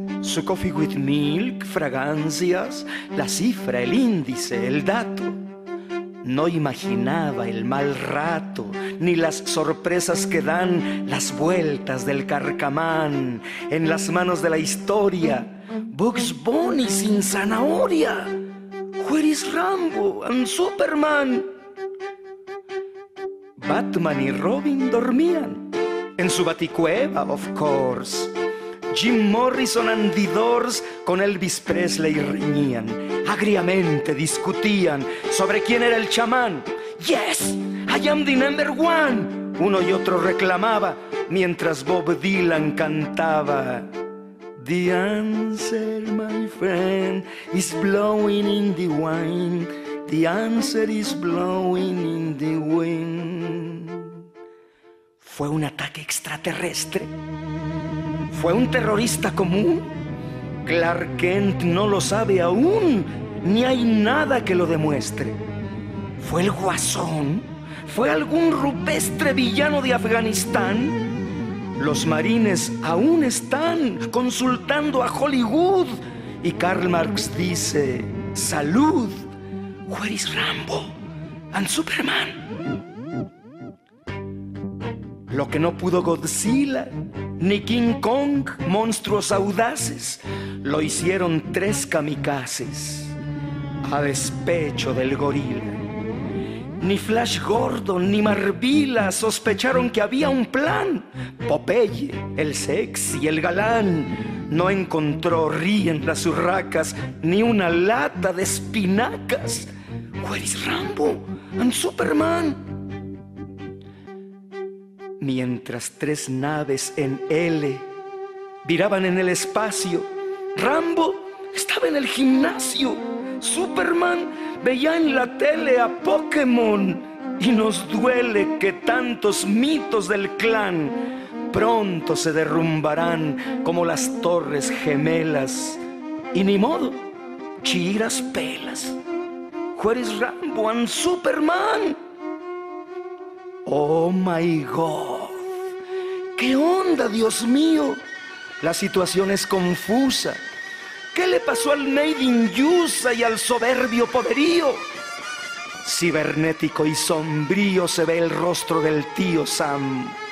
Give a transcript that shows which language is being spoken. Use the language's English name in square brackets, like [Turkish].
[Spanish] Su [English] coffee with milk, [Spanish] fragancias, la cifra, el índice, el dato. No imaginaba el mal rato, ni las sorpresas que dan las vueltas del carcamán. En las manos de la historia, Bugs Bunny sin zanahoria. [English] Where is Rambo and Superman? [Spanish] Batman y Robin dormían en su baticueva, [English] of course. [Spanish] Jim Morrison and the Doors con Elvis Presley riñían. Agriamente discutían sobre quién era el chamán. [English] Yes, I am the number one. [Spanish] Uno y otro reclamaba mientras Bob Dylan cantaba. [English] The answer, my friend, is blowing in the wind. The answer is blowing in the wind. [Spanish] ¿Fue un ataque extraterrestre? ¿Fue un terrorista común? Clark Kent no lo sabe aún, ni hay nada que lo demuestre. ¿Fue el Guasón? ¿Fue algún rupestre villano de Afganistán? Los marines aún están consultando a Hollywood. Y Karl Marx dice, salud, [English] where is Rambo and Superman? [Spanish] Lo que no pudo Godzilla, ni King Kong, monstruos audaces, lo hicieron tres kamikazes, a despecho del gorila. Ni Flash Gordon ni Marvila sospecharon que había un plan. Popeye, el sexy, el galán, no encontró, ríen las urracas, ni una lata de espinacas. [English] Where is Rambo and Superman? [Spanish] Mientras tres naves en L viraban en el espacio, Rambo estaba en el gimnasio. Superman veía en la tele a Pokémon. Y nos duele que tantos mitos del clan pronto se derrumbarán como las torres gemelas. Y ni modo, chiras pelas. [English] Where is Rambo and Superman? Oh my God, [Spanish] ¿qué onda, Dios mío? La situación es confusa. ¿Qué le pasó al Made in USA y al soberbio poderío? Cibernético y sombrío se ve el rostro del tío Sam.